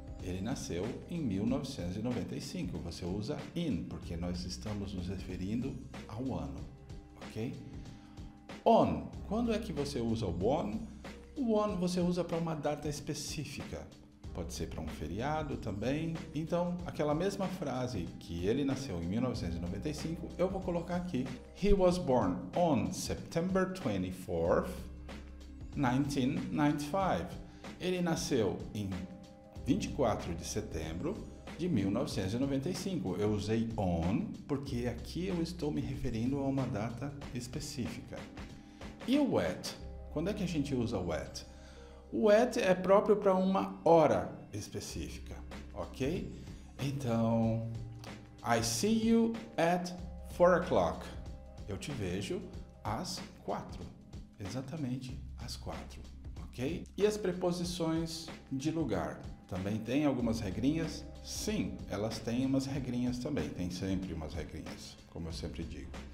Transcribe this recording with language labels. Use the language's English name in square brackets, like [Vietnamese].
[Portuguese] Ele nasceu em 1995. Você usa in porque nós estamos nos referindo ao ano, ok? On, quando é que você usa o on? O on você usa para uma data específica. Pode ser para um feriado também. Então, aquela mesma frase que ele nasceu em 1995, eu vou colocar aqui. [English] He was born on September 24th, 1995. [Portuguese] Ele nasceu em 24 de setembro de 1995. Eu usei on porque aqui eu estou me referindo a uma data específica. E o at? Quando é que a gente usa o at? O at é próprio para uma hora específica, ok? Então, [English] I see you at 4 o'clock. [Portuguese] Eu te vejo às 4, exatamente às 4, ok? E as preposições de lugar? Também tem algumas regrinhas? Sim, elas têm umas regrinhas também. Tem sempre umas regrinhas, como eu sempre digo.